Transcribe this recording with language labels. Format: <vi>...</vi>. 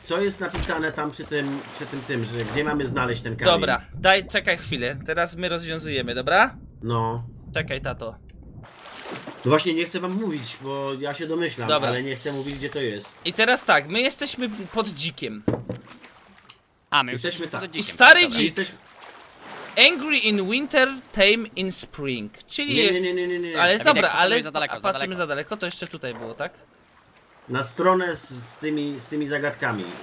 <pl>Co jest napisane tam przy tym, że gdzie mamy znaleźć ten kamień? Dobra, daj, czekaj chwilę. Teraz my rozwiązujemy, dobra? No. Czekaj, tato. No właśnie, nie chcę wam mówić, bo ja się domyślam, dobra. Ale nie chcę mówić, gdzie to jest. I teraz tak, my jesteśmy pod dzikiem. A, my jesteśmy tak. I stary dzik.</pl> <en>Angry in winter, tame in spring.</en> <pl>Czyli nie, jest... Nie. Ale tak dobra, ale patrzymy za daleko, to jeszcze tutaj było, tak? Na stronę z tymi zagadkami.</pl>